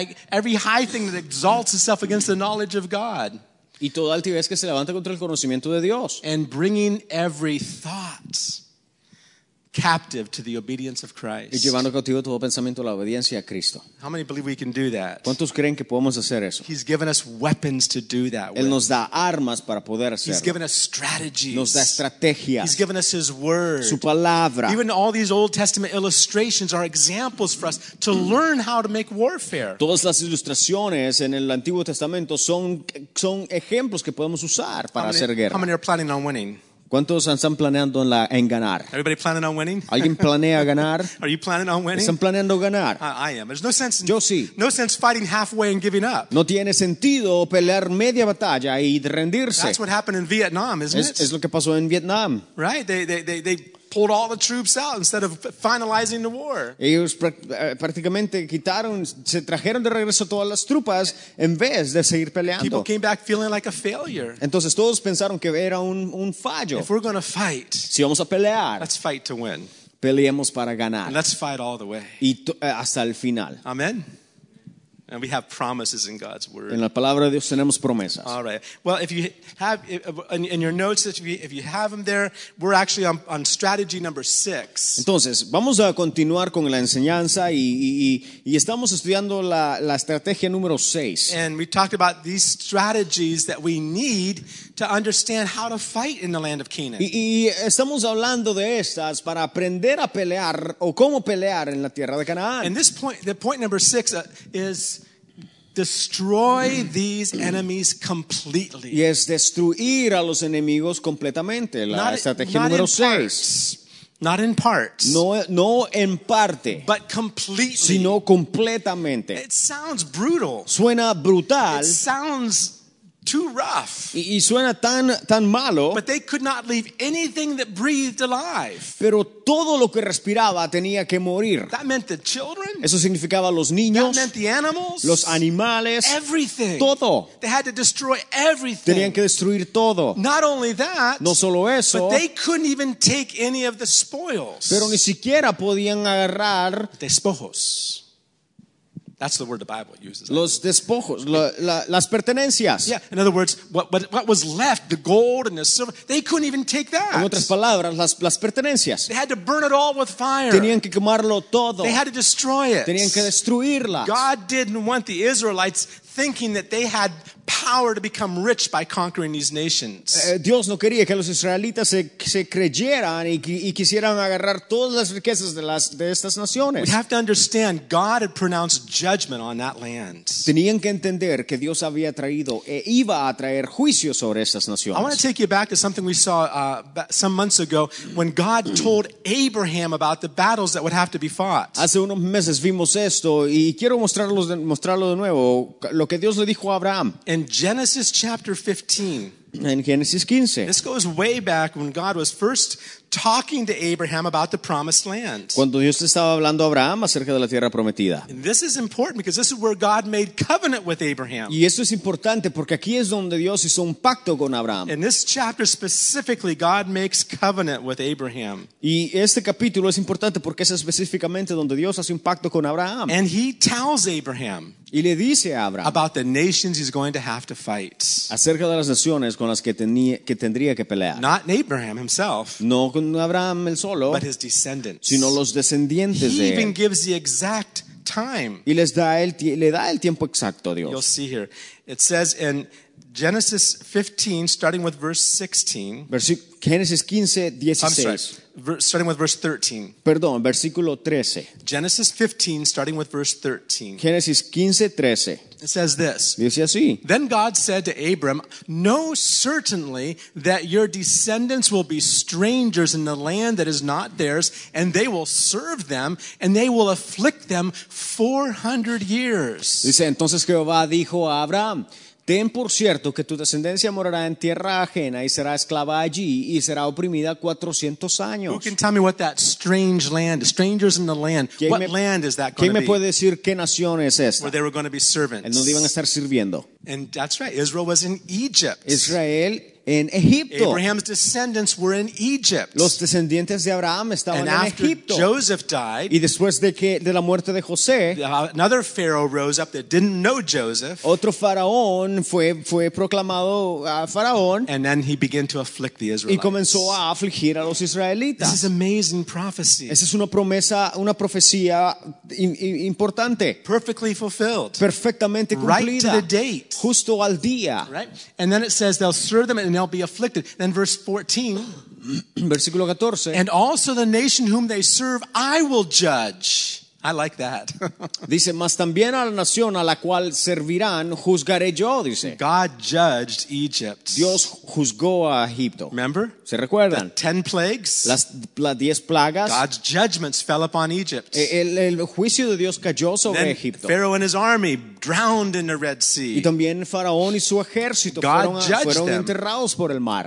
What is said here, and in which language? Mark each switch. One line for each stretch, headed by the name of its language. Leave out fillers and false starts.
English: Every high thing that exalts itself against the knowledge of God.
Spanish: Y toda altivez que se levanta contra el conocimiento de Dios.
English: And bringing every thought captive to the obedience of Christ.
Spanish: Y llevando cautivo todo pensamiento a la obediencia a Cristo.
English: How many believe we can do that?
Spanish: ¿Cuántos creen que podemos hacer eso?
English: He's given us weapons to do that.
Spanish: Él nos da armas para poder hacerlo.
English: He's given us strategies.
Spanish: Nos da estrategias.
English: He's given us his word.
Spanish: Su palabra.
English: Even all these Old Testament illustrations are examples for us to learn how to make warfare.
Spanish: Todas las ilustraciones en el Antiguo Testamento son ejemplos que podemos usar para hacer guerra.
English: How many are planning on winning?
Spanish: ¿Cuántos están planeando en ganar?
English: Everybody planning on winning?
Spanish: ¿Alguien planea ganar?
English: Are you planning on winning?
Spanish: ¿Están planeando ganar?
English: I am. There's no sense in,
Spanish: yo sí.
English: No sense fighting halfway and giving up.
Spanish: No tiene sentido pelear media batalla y rendirse.
English: That's what happened in Vietnam, isn't
Spanish: es,
English: it?
Spanish: Es lo que pasó en Vietnam.
English: Right? They pulled all the troops out instead of finalizing the war.
Spanish: Ellos prácticamente quitaron, se trajeron de regreso todas las tropas en vez de seguir peleando.
English: People came back feeling like a failure.
Spanish: Entonces todos pensaron que era un fallo.
English: If we're going to fight,
Spanish: si vamos a pelear,
English: let's fight to win.
Spanish: Peleemos para ganar.
English: And let's fight all the way.
Spanish: Y hasta el final.
English: Amen. And we have promises in God's word.
Spanish: En la palabra de Dios tenemos promesas.
English: All right. Well, if you have in your notes, if you have them there, we're actually on strategy number 6.
Spanish: Entonces, vamos a continuar con la enseñanza y estamos estudiando la estrategia número 6.
English: And we talked about these strategies that we need to understand how to fight in the land of Canaan.
Spanish: Y estamos hablando de estas para aprender a pelear o cómo pelear en la tierra de Canaán.
English: And this point, the point number 6 is destroy these enemies completely.
Spanish: Y es destruir a los enemigos completamente. La estrategia número 6.
English: Not in parts.
Spanish: No en parte.
English: But completely.
Spanish: Sino completamente.
English: It sounds brutal.
Spanish: Suena brutal.
English: It sounds too rough.
Spanish: Y suena tan malo.
English: But they could not leave anything that breathed alive.
Spanish: Pero todo lo que respiraba tenía que morir.
English: That meant the children.
Spanish: Eso significaba los niños.
English: That meant the animals.
Spanish: Los animales.
English: Everything.
Spanish: Todo.
English: They had to destroy everything.
Spanish: Tenían que destruir todo.
English: Not only that.
Spanish: No solo eso.
English: But they couldn't even take any of the spoils.
Spanish: Pero ni siquiera podían agarrar despojos.
English: That's the word the Bible uses.
Spanish: Los despojos, las pertenencias.
English: Yeah, in other words, what was left, the gold and the silver, they couldn't even take that.
Spanish: En otras palabras, las pertenencias.
English: They had to burn it all with fire.
Spanish: Tenían que quemarlo todo.
English: They had to destroy it.
Spanish: Tenían que destruirlas.
English: God didn't want the Israelites thinking that they had power to become rich by conquering these nations.
Spanish: Dios no quería que los israelitas se creyeran y quisieran agarrar todas las riquezas de estas naciones.
English: We have to understand God had pronounced judgment on that land.
Spanish: Tenían que entender que Dios había traído e iba a traer juicio sobre estas naciones.
English: I want to take you back to something we saw some months ago when God told Abraham about the battles that would have to be fought.
Spanish: Hace unos meses vimos esto y quiero mostrarlo de nuevo. Lo que Dios le dijo a Abraham.
English: In Genesis chapter 15.
Spanish: En Génesis 15.
English: This goes way back when God was first talking to Abraham about the promised land.
Spanish: Cuando Dios estaba hablando a Abraham acerca de la tierra prometida.
English: And this is important because this is where God made covenant with Abraham.
Spanish: Y esto es importante porque aquí es donde Dios hizo un pacto con Abraham.
English: In this chapter specifically, God makes covenant with Abraham.
Spanish: Y este capítulo es importante porque es específicamente donde Dios hace un pacto con Abraham.
English: And he tells Abraham.
Spanish: Y le dice a Abraham.
English: About the nations he's going to have to fight.
Spanish: Acerca de las naciones con las que tendría que pelear.
English: Not Abraham himself.
Spanish: No con Abraham el solo,
English: but his descendants.
Spanish: Sino los descendientes
English: he
Spanish: de
English: even
Spanish: él.
English: Gives the exact time.
Spanish: Y les da le da el tiempo exacto a Dios.
English: You'll see here. It says in Genesis 15, starting with verse 16.
Spanish: Génesis 15, 16.
English: I'm sorry. Starting with verse 13.
Spanish: Perdón, versículo 13.
English: Genesis 15, starting with verse 13.
Spanish: Génesis 15, 13.
English: It says this.
Spanish: Dice así.
English: Then God said to Abram, know certainly that your descendants will be strangers in the land that is not theirs, and they will serve them, and they will afflict them 400 years.
Spanish: Dice, entonces Jehová dijo a Abraham, ten por cierto que tu descendencia morará en tierra ajena y será esclava allí y será oprimida 400 años.
English: Who can tell me what that strange land, strangers in the land, what land is that going to be?
Spanish: ¿Quién me puede decir qué nación es esta?
English: Where they were going to be servants.
Spanish: ¿En dónde iban a estar sirviendo?
English: And that's right. Israel was in Egypt.
Spanish: Israel en Egipto.
English: Abraham's descendants were in Egypt.
Spanish: Los descendientes de Abraham estaban en Egipto.
English: And after Joseph died,
Spanish: y después de que de la muerte de José,
English: another pharaoh rose up that didn't know Joseph.
Spanish: Otro faraón fue proclamado faraón.
English: And then he began to afflict the Israelites.
Spanish: Y comenzó a afligir a los israelitas.
English: This is amazing prophecy.
Spanish: Esa es una promesa, una profecía importante.
English: Perfectly fulfilled.
Spanish: Perfectamente cumplida.
English: Right to the date.
Spanish: Justo al día.
English: Right. And then it says they'll stir them and they'll be afflicted. Then verse 14.
Spanish: Versículo 14.
English: And also the nation whom they serve, I will judge. I like that.
Spanish: Dice, mas también a la nación a la cual servirán, juzgaré yo, dice.
English: God judged Egypt.
Spanish: Dios juzgó a Egipto.
English: Remember?
Spanish: ¿Se recuerdan?
English: The 10 plagues.
Spanish: Las 10 plagas.
English: God's judgments fell upon Egypt.
Spanish: El juicio de Dios cayó sobre
English: then
Spanish: Egipto.
English: Pharaoh and his army drowned in the Red Sea.
Spanish: Y también Faraón y su ejército fueron enterrados por el mar.